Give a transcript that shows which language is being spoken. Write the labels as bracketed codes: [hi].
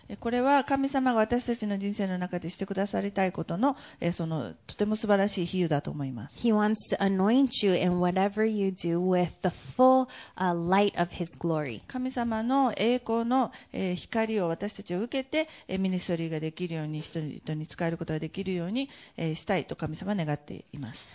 [ja] これは神様が私たちの人生の中でしてくださりたいことの、そのとても素晴らしい比喩だと思います。 [en] He wants to anoint you in whatever you do with the full light of His glory. [ja] 神様の栄光の光を私たちを受けてミニストリーができるように人々に使えることができるようにしたいと神様は願っています。